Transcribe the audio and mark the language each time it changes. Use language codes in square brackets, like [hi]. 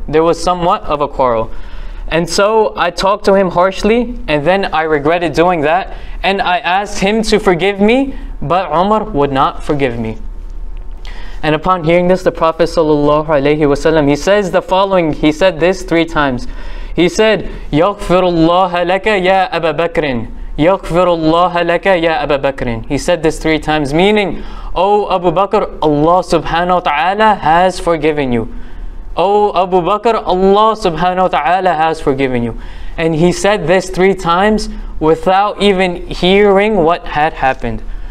[en] There was somewhat of a quarrel. And so I talked to him harshly, and then I regretted doing that, and I asked him to forgive me, but Umar would not forgive me. And upon hearing this, the Prophet sallallahu alaihi wasallam, he says the following, he said this three times. He said, [ar] يَغْفِرُ اللَّهَ لَكَ يَا أَبَا بَكْرٍ يَغْفِرُ اللَّهَ لَكَ يَا أَبَا بَكْرٍ. [en] He said this three times, meaning, O Abu Bakr, Allah subhanahu wa ta'ala has forgiven you. O Abu Bakr, Allah subhanahu wa ta'ala has forgiven you. And he said this three times without even hearing what had happened.